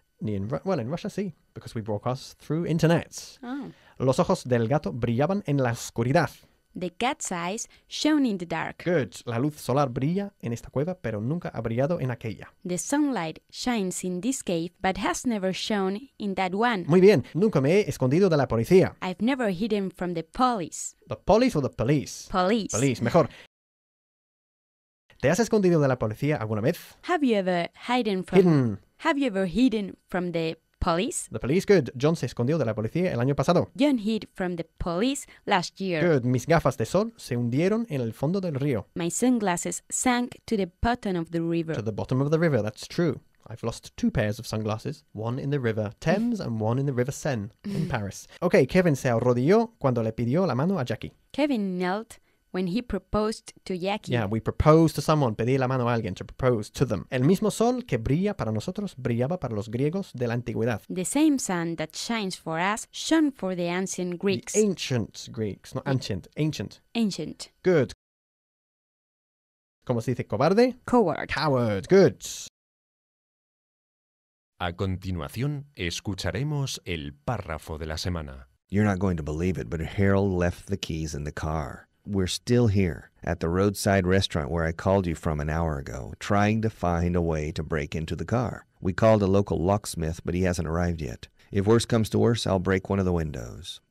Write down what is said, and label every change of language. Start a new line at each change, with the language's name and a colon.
English: In Russia, sí, because we broadcast through internet. Oh.
Spanish: Los ojos del gato brillaban en la oscuridad.
English: The cat's eyes shone in the dark. Good.
Spanish: La luz solar brilla en esta cueva, pero nunca ha brillado en aquella.
English: The sunlight shines in this cave, but has never shone in that one.
Spanish: Muy bien. Nunca me he escondido de la policía.
English: I've never hidden from the police. The police or the police? Police.
Spanish: Police, mejor. ¿Te has escondido de la policía alguna vez?
English: Have you ever hidden from... Hidden. Have you ever hidden from the... Police? The police, good.
Spanish: John se escondió de la policía el año pasado.
English: John hid from the police last year. Good.
Spanish: Mis gafas de sol se hundieron en el fondo del río.
English: My sunglasses sank to the bottom of the river. To the bottom of the river, that's true. I've lost two pairs of sunglasses, one in the River Thames and one in the River Seine in Paris. Okay,
Spanish: Kevin se arrodilló cuando le pidió la mano a Jackie.
English: Kevin knelt when he proposed to Jackie. Yeah, we proposed to someone,
Spanish: pedir la mano a alguien,
English: to propose to them.
Spanish: El mismo sol que brilla para nosotros brillaba para los griegos de la antigüedad.
English: The same sun that shines for us shone for the ancient Greeks. The ancient Greeks, not ancient, ancient. Ancient.
Spanish: Good. ¿Cómo se dice cobarde?
English: Coward. Coward, good.
Spanish: A continuación, escucharemos el párrafo de la semana.
English: You're not going to believe it, but Harold left the keys in the car. We're still here, at the roadside restaurant where I called you from an hour ago, trying to find a way to break into the car. We called a local locksmith, but he hasn't arrived yet. If worse comes to worse, I'll break one of the windows.